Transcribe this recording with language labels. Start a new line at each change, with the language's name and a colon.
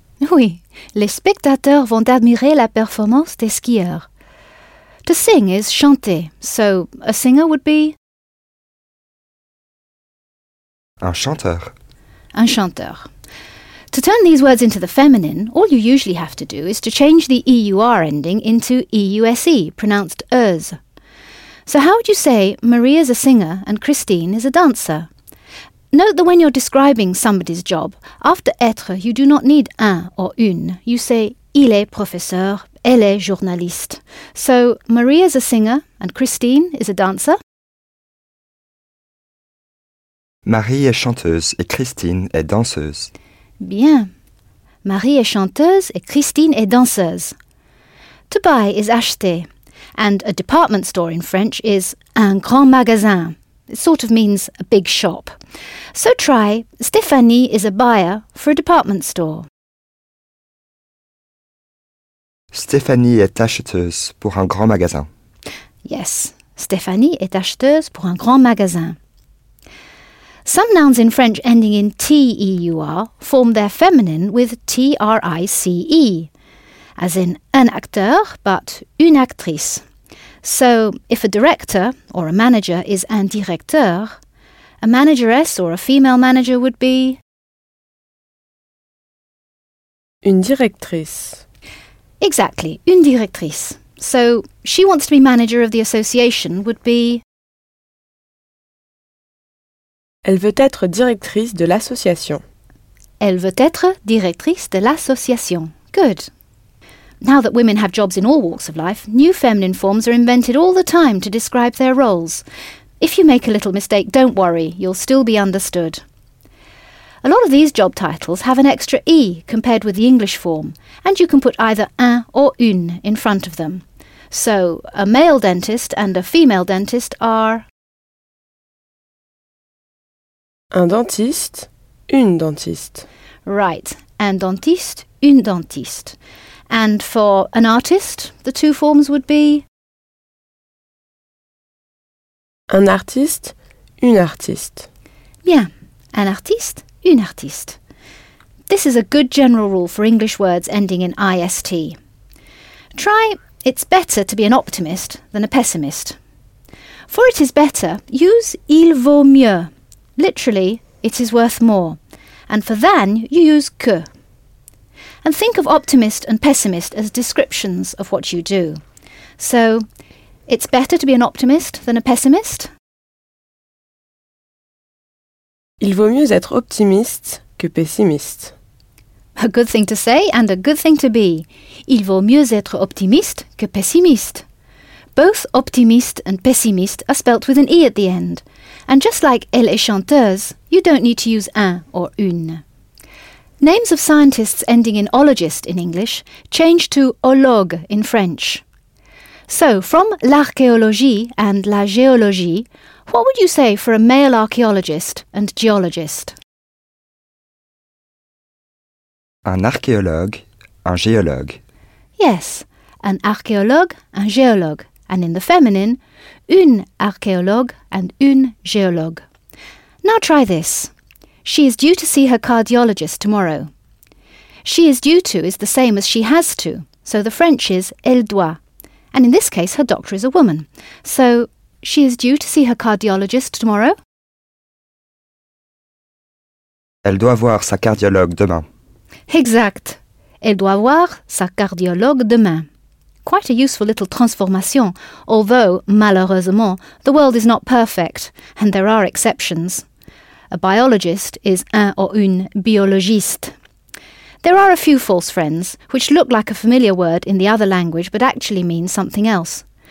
French: Oui, les spectateurs vont admirer la performance des skieurs.
English: To sing is chanter, so a singer would be...
French: Un chanteur. Un chanteur.
English: To turn these words into the feminine, all you usually have to do is to change the E-U-R ending into E-U-S-E, pronounced ers. So how would you say Maria's a singer and Christine is a dancer? Note that when you're describing somebody's job, after être you do not need un or une, you say
French: il est professeur. Elle est journaliste.
English: So, Maria's a singer and Christine is a dancer.
French: Marie est chanteuse et Christine est danseuse. Bien. Marie est chanteuse et Christine est danseuse.
English: To buy is acheter. And a department store in French is
French: un grand magasin.
English: It sort of means a big shop. So try, Stéphanie is a buyer for a department store.
French: Stéphanie est acheteuse pour un grand magasin.
English: Yes,
French: Stéphanie est acheteuse pour un grand magasin.
English: Some nouns in French ending in T-E-U-R form their feminine with T-R-I-C-E, as in
French: un acteur,
English: but
French: une actrice.
English: So, if a director or a manager is
French: un directeur,
English: a manageress or a female manager would be...
French: Une directrice.
English: Exactly,
French: une directrice.
English: So, she wants to be manager of the association would be...
French: Elle veut être directrice de l'association. Elle veut être directrice de l'association.
English: Good. Now that women have jobs in all walks of life, new feminine forms are invented all the time to describe their roles. If you make a little mistake, don't worry, you'll still be understood. A lot of these job titles have an extra E compared with the English form, and you can put either un or une in front of them. So, a male dentist and a female dentist are...
French: Un dentiste, une dentiste.
English: Right,
French: un dentiste, une dentiste.
English: And for an artist, the two forms would be...
French: Un artiste, une artiste. Bien, un artiste, une artiste.
English: This is a good general rule for English words ending in IST. Try, it's better to be an optimist than a pessimist. For it is better, use
French: il vaut mieux.
English: Literally, it is worth more. And for than, you use que. And think of optimist and pessimist as descriptions of what you do. So, it's better to be an optimist than a pessimist.
French: Il vaut mieux être optimiste que pessimiste.
English: A good thing to say and a good thing to be.
French: Il vaut mieux être optimiste que pessimiste.
English: Both optimiste and pessimiste are spelt with an E at the end. And just like
French: elle est chanteuse,
English: you don't need to use un or une. Names of scientists ending in ologist in English change to ologue in French. So, from l'archéologie and la géologie, what would you say for a male archaeologist and geologist?
French: Un archéologue, un géologue.
English: Yes,
French: an archéologue, un géologue.
English: And in the feminine,
French: une archéologue
English: and
French: une géologue.
English: Now try this. She is due to see her cardiologist tomorrow. She is due to is the same as she has to, so the French is
French: elle doit.
English: And in this case, her doctor is a woman. So, she is due to see her cardiologist tomorrow?
French: Elle doit voir sa cardiologue demain. Exact. Elle doit voir sa cardiologue demain.
English: Quite a useful little transformation, although, malheureusement, the world is not perfect, and there are exceptions. A biologist is un or une biologiste. There are a few false friends, which look like a familiar word in the other language, but actually mean something else.